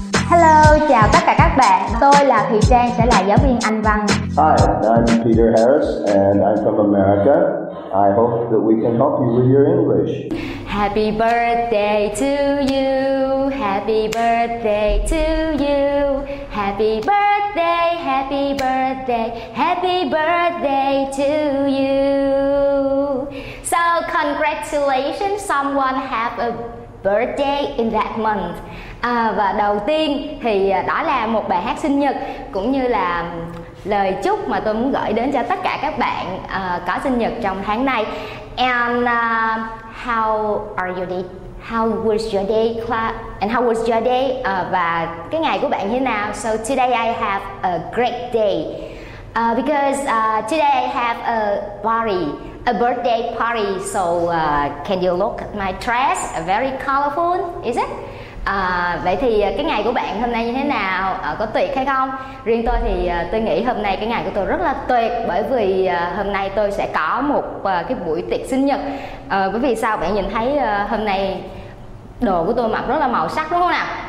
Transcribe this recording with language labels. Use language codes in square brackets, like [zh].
[vi] Hello, chào tất cả các bạn. Tôi là Thùy Trang, sẽ là giáo viên Anh Văn. [en] Hi, I'm Peter Harris and I'm from America. I hope that we can help you with your English. Happy birthday to you. Happy birthday to you. Happy birthday, happy birthday, happy birthday to you. So, congratulations, someone have a birthday in that month. [vi] À, và đầu tiên thì đó là một bài hát sinh nhật cũng như là lời chúc mà tôi muốn gửi đến cho tất cả các bạn có sinh nhật trong tháng này. [en] And how are you day? How was your day, class? And how was your day? [vi] Và cái ngày của bạn như thế nào? [en] So today I have a great day because today I have a party. A birthday party, so can you look at my dress? Very colorful, is it? [vi] Vậy thì cái ngày của bạn hôm nay như thế nào? Có tuyệt hay không? Riêng tôi thì tôi nghĩ hôm nay cái ngày của tôi rất là tuyệt, bởi vì hôm nay tôi sẽ có một cái buổi tiệc sinh nhật. Bởi vì sao? Bạn nhìn thấy hôm nay đồ của tôi mặc rất là màu sắc đúng không nào?